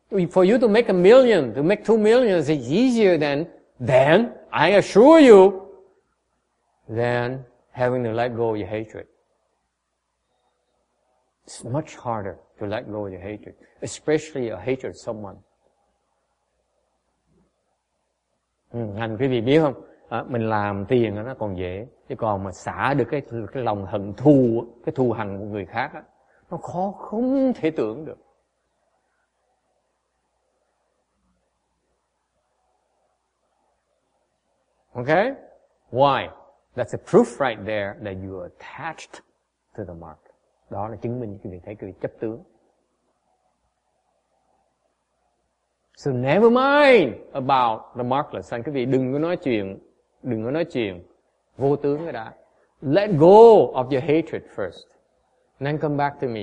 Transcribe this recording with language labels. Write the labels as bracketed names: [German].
[English] For you to make $1 million, to make $2 million is easier than, I assure you, than having to let go of your hatred. It's much harder to let go of your hatred, especially a hatred of someone. [Vietnamese] Anh quý vị biết không? Mình làm tiền nó còn dễ, chứ còn mà xả được cái lòng hận thù, cái thù hằn của người khác á, nó khó không thể tưởng được. [English] Okay? Why? That's a proof right there that you are attached to the mark. [Vietnamese] Đó là chứng minh cho mình thấy cái chấp tướng. [English] So never mind about the markless. [Vietnamese] Anh quý vị đừng có nói chuyện vô tướng cái đã. [English] Let go of your hatred first. Then come back to me.